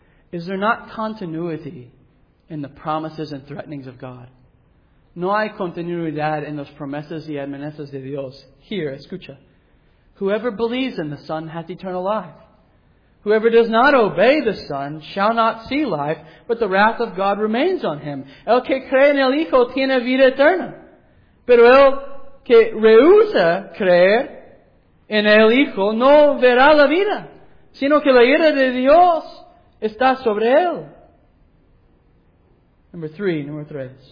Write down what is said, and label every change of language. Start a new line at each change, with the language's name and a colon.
English: Is there not continuity in the promises and threatenings of God?
Spanish: No hay continuidad en las promesas y amenazas de Dios.
English: Here,
Spanish: escucha.
English: Whoever believes in the Son hath eternal life. Whoever does not obey the Son shall not see life, but the wrath of God remains on him.
Spanish: El que cree en el Hijo tiene vida eterna. Pero el que rehúsa creer en el Hijo no verá la vida, sino que la ira de Dios está sobre él. Número tres.